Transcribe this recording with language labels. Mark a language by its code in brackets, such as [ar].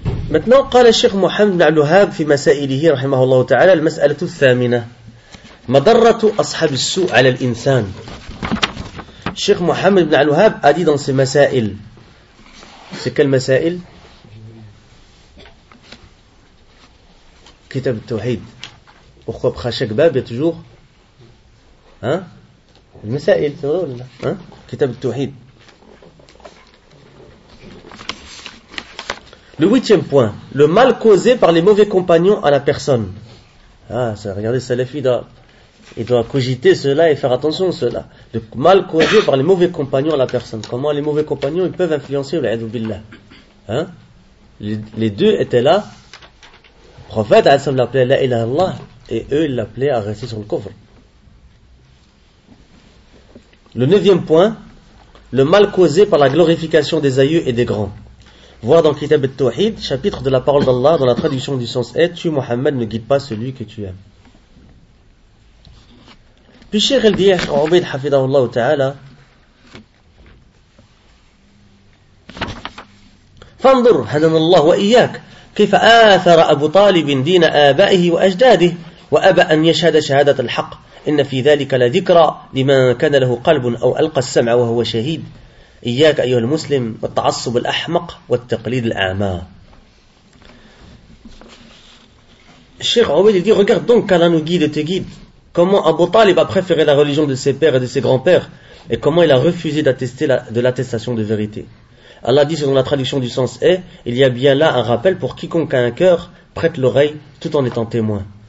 [fr] Maintenant, [ar] قال الشيخ محمد بن علهاب في مسائله رحمه الله تعالى المسألة الثامنة مضرة أصحاب السوء على الإنسان. [fr] الشيخ محمد بن علهاب a dit dans ses مسائل. C'est quelle مسائل? [ar] كتاب التوحيد. [fr] Pourquoi après chaque bab il y a toujours? المسائل, c'est vrai ou pas? [ar] كتاب التوحيد. [fr] Le huitième point, le mal causé par les mauvais compagnons à la personne. Ah, ça, regardez, Salafi, il doit cogiter cela et faire attention à cela. Le mal causé par les mauvais compagnons à la personne. Comment les mauvais compagnons ils peuvent influencer le A'udhu Billah, hein? Les deux étaient là. Le prophète, A'udhu Billah, l'appelait La ilaha illallah et eux, ils l'appelaient à rester sur le kufr. Le neuvième point, le mal causé par la glorification des aïeux et des grands. Voir dans le Kitab al-Tawhid, chapitre de la parole d'Allah, dans la traduction du sens « Tu, Muhammad, ne guide pas celui que tu aimes. » Puis, Cheikh al-Diyah, Ubayd, Hafidahullah ta'ala, [ar] فانظر هدانا الله وإياك كيف آثر أبو طالب دين آبائه وأجداده وأبى أن يشهد شهادة الحق إن في ذلك لذكرى لمن كان له قلب أو ألقى السمع وهو شهيد إياك أيها المسلم والتعصب الأحمق والتقليد الأعمى. الشيخ عبيد يقول [fr] regarde donc qu'Allah nous guide et te guide. Comment Abu Talib a préféré la religion de ses pères et de ses grands-pères et comment il a refusé d'attester de l'attestation de vérité. Allah dit selon la traduction du sens est, il y a bien là un rappel pour quiconque a un cœur, prête l'oreille tout en étant témoin.